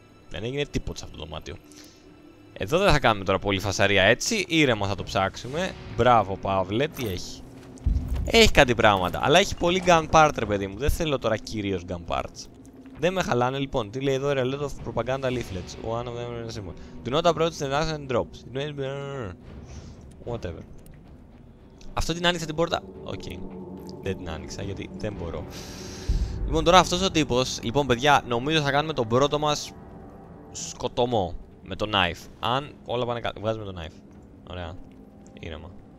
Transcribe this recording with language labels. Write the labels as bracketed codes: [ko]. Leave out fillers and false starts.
[el] Δεν έγινε τίποτα σε αυτό το δωμάτιο. Εδώ δεν θα κάνουμε τώρα πολύ φασαρία έτσι. Ήρεμα θα το ψάξουμε. Μπράβο, Παύλε. Τι έχει. Έχει κάτι πράγματα, αλλά έχει πολύ gunpart, ρε παιδί μου. Δεν θέλω τώρα κυρίω gunparts. Δεν με χαλάνε, λοιπόν. Τι λέει εδώ, ρε, λέω το propaganda leaflets. [en] One of them is a symbol. Do not approach the nuts and drops. Whatever. [el] Αυτό την άνοιξε την πόρτα. Οκ. Δεν την άνοιξα γιατί δεν μπορώ. Λοιπόν, τώρα αυτό ο τύπο. Λοιπόν, παιδιά, νομίζω θα κάνουμε τον πρώτο μα σκοτωμό με το knife. Αν όλα πάνε καλά. Βγάζουμε το knife. Ωραία. Ήρεμα.